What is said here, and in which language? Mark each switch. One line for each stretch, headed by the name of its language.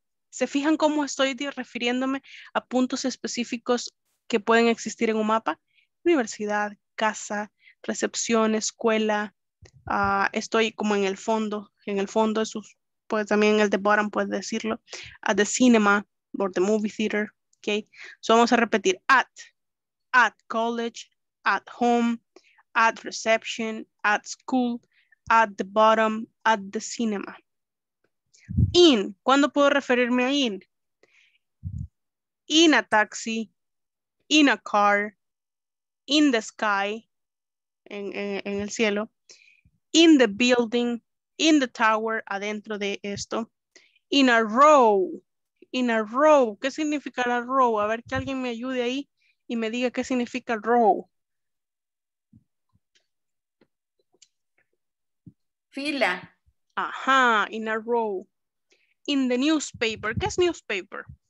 Spanish: ¿Se fijan cómo estoy refiriéndome a puntos específicos que pueden existir en un mapa? Universidad, casa, recepción, escuela. Estoy como en el fondo. En el fondo, eso puede, también en el de bottom puede decirlo.
English: At the cinema or the movie theater. Okay. So
Spanish: vamos a repetir.
English: At college, at home, at reception, at school, at the bottom, at the cinema. In,
Spanish: ¿cuándo puedo referirme a in?
English: In a taxi, in a car, in the sky,
Spanish: en el cielo,
English: in the building, in the tower,
Spanish: adentro de esto,
English: in a row. In a row,
Spanish: ¿qué significa la row? A ver que alguien me ayude ahí y me diga qué significa row. Fila.
English: Ajá, in a row. In the newspaper,
Spanish: ¿qué es newspaper?